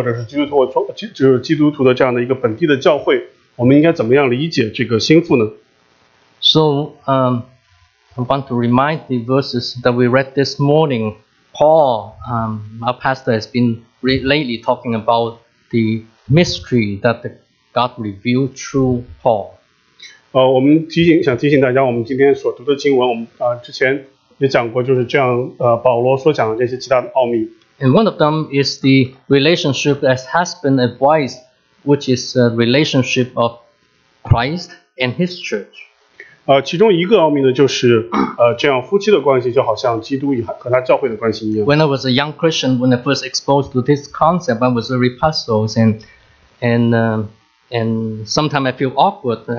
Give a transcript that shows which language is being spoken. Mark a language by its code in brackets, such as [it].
[zh] 所以作为我们基督徒的个人或者是基督徒的这样的一个本地的教会 我们应该怎么样理解这个心腹呢? [en] So, I want to remind the verses that we read this morning. Paul, our pastor has been lately talking about the mystery that God revealed through Paul. [zh] 我们提醒想提醒大家我们今天所读的经文我们之前也讲过就是这样保罗所讲的这些其他的奥秘。 [en] And one of them is the relationship as husband and wife, which is a relationship of Christ and his church. [zh] 其中一个奥秘呢就是这样夫妻的关系就好像基督和他教会的关系一样。 [en] When I was a young Christian, when I first exposed to this concept, I was very puzzled and sometimes I feel awkward.